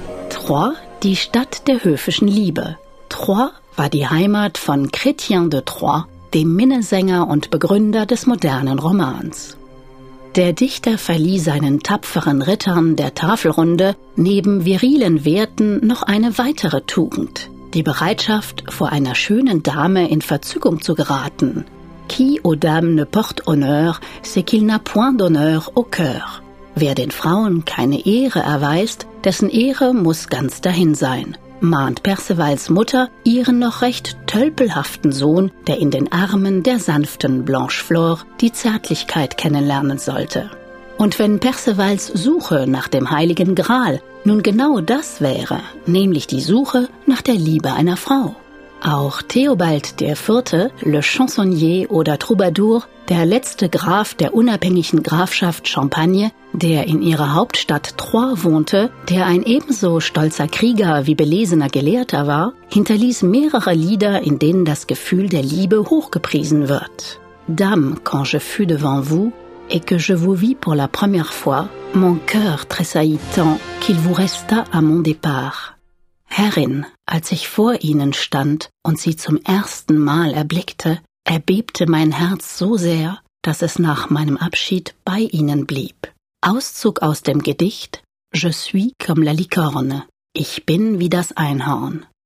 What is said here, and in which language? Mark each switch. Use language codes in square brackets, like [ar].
[de] Troyes, die Stadt der höfischen Liebe. Troyes war die Heimat von Chrétien de Troyes, dem Minnesänger und Begründer des modernen Romans. Der Dichter verlieh seinen tapferen Rittern der Tafelrunde neben virilen Werten noch eine weitere Tugend, die Bereitschaft, vor einer schönen Dame in Verzückung zu geraten. [fr] Qui aux dames ne porte honneur, c'est qu'il n'a point d'honneur au cœur. [de] Wer den Frauen keine Ehre erweist, dessen Ehre muss ganz dahin sein, mahnt Percivals Mutter ihren noch recht tölpelhaften Sohn, der in den Armen der sanften Blancheflor die Zärtlichkeit kennenlernen sollte. Und wenn Percivals Suche nach dem Heiligen Gral nun genau das wäre, nämlich die Suche nach der Liebe einer Frau. Auch Theobald IV., Le Chansonnier oder Troubadour, der letzte Graf der unabhängigen Grafschaft Champagne, der in ihrer Hauptstadt Troyes wohnte, der ein ebenso stolzer Krieger wie belesener Gelehrter war, hinterließ mehrere Lieder, in denen das Gefühl der Liebe hochgepriesen wird. [fr] Dame, quand je fus devant vous et que je vous vis pour la première fois, mon cœur tressaillit tant qu'il vous resta à mon départ. [de] Herrin, als ich vor ihnen stand und sie zum ersten Mal erblickte, erbebte mein Herz so sehr, dass es nach meinem Abschied bei ihnen blieb. Auszug aus dem Gedicht » [fr] Je suis comme la licorne« [de] – »Ich bin wie das Einhorn«.